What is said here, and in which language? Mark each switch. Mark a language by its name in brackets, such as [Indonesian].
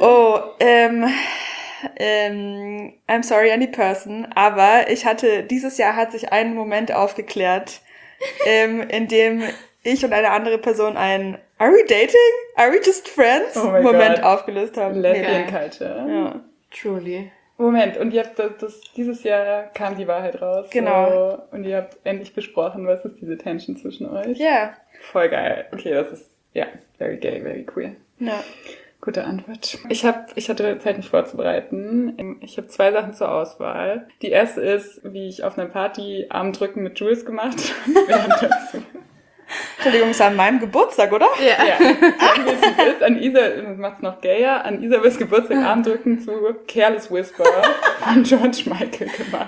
[English] Oh, I'm sorry any person, [German] aber ich hatte, dieses Jahr hat sich ein Moment aufgeklärt, in dem ich und eine andere Person einen [English] Are we dating? Are we just friends? Oh [German] Moment [English] God. [German] Aufgelöst haben. [English] Lesbian Culture. [German] Ja. [English] Truly. [German] Moment, und ihr habt dieses Jahr kam die Wahrheit raus. Genau. So, und ihr habt endlich besprochen, was ist diese Tension zwischen euch? Ja. Yeah. Voll geil. [English] Okay, [German] das ist, [English] very gay, very queer. [German] Ja. Gute Antwort. Ich hatte Zeit, mich vorzubereiten. Ich habe zwei Sachen zur Auswahl. Die erste ist, wie ich auf einer Party Armdrücken mit Jules gemacht habe. Entschuldigung, ist an meinem Geburtstag, oder? Yeah. Ja. Wie ist, an Isa, das macht's noch gayer, an Isabels Geburtstag Armdrücken zu Careless Whisper von George Michael gemacht.